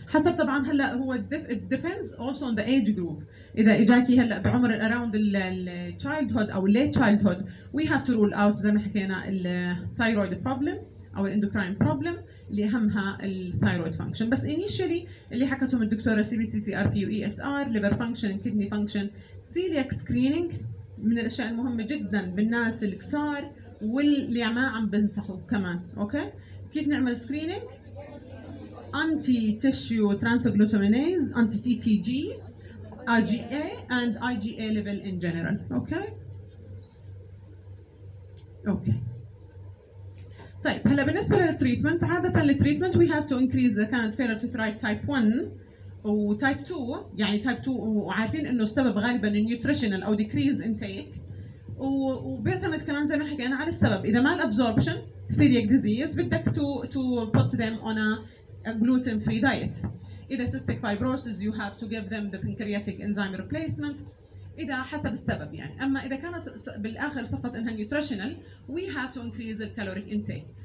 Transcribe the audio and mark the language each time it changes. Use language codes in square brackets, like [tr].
[ar] حسب طبعا هلا هو [en] depends also on the age group. [ar] اذا اجاكي هلا بعمر [en] around childhood [ar] او [en] late childhood we have to rule out [ar] زي ما حكينا thyroid problem او endocrine problem اللي أهمها الثايرويد فانكشن. بس initially اللي حكتهم الدكتورة CBCCRPUESR [en] liver function kidney function celiac screening [ar] من الأشياء المهمة جدا بالناس الكسار واللي ما عم بنصحوا كمان. أوكي كيف نعمل [en] screening؟ anti tissue transglutaminase anti TTG IgA and IgA level in general. [ar] أوكي أوكي طيب هلا بالنسبة للتريتمنت عادة التريتمنت [en] we have to increase the [ar] كانت failure to thrive type 1 و type 2 يعني type 2 وعارفين انه السبب غالبا nutritional او decrease intake وبيعتمد كمان زي ما حكينا على السبب. اذا ما الابزوربشن celiac disease بدك [en] to put them on a gluten free diet. اذا cystic fibrosis you have to give them the pancreatic enzyme replacement [ar] إذا حسب السبب يعني. أما إذا كانت بالآخر صفت إنها [en] nutritional we have to increase the caloric intake.